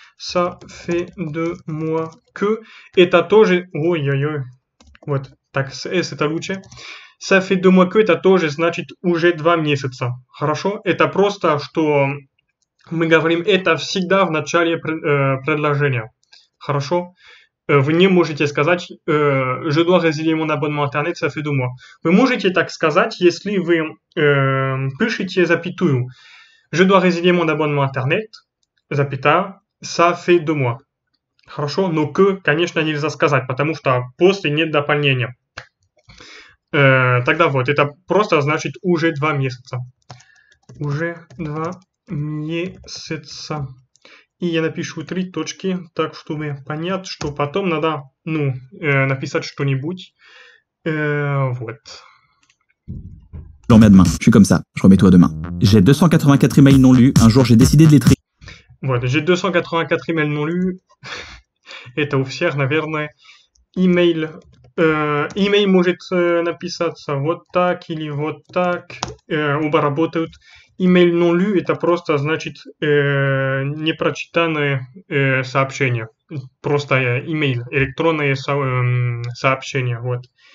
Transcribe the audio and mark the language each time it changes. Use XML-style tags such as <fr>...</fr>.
<fr>Ça fait 2 mois que...</fr> <ru>Это тоже...</ru> <fr>Ой-ой-ой.</fr> <ru>Вот, так, с S это лучше.</ru> <fr>Ça fait 2 mois que</fr> <ru>это тоже значит уже 2 месяца. Хорошо? Это просто, что мы говорим это всегда в начале предложения. Хорошо? Вы не можете сказать</ru> <fr>«Je dois résilier mon abonnement Internet, ça fait 2 mois».</fr> <ru>Вы можете так сказать, если вы пишете запятую</ru> <fr>«Je dois résilier mon abonnement Internet,</fr> <ru>запятая,</ru> <fr>ça fait 2 mois».</fr> <ru>Хорошо? Но «que», конечно, нельзя сказать, потому что после нет дополнения. Тогда вот, это просто значит уже 2 месяца. Уже 2 месяца. И я напишу 3 точки, так чтобы понять, что потом надо, ну, написать что-нибудь. Вот.</ru> <fr>Je remets à demain. Je suis comme ça. Je remets tout à demain. J'ai 284 emails non lus. Un jour, j'ai décidé de les trier. Voilà, j'ai 284 emails non lus.</fr> <ru>Это у всех, наверное, email. Имей может написаться вот так или вот так. Оба работают. Имейл</ru> <fr>non lu</fr> <ru>это просто значит непрочитанное сообщение. Просто имейл, электронное сообщение. Вот.</ru>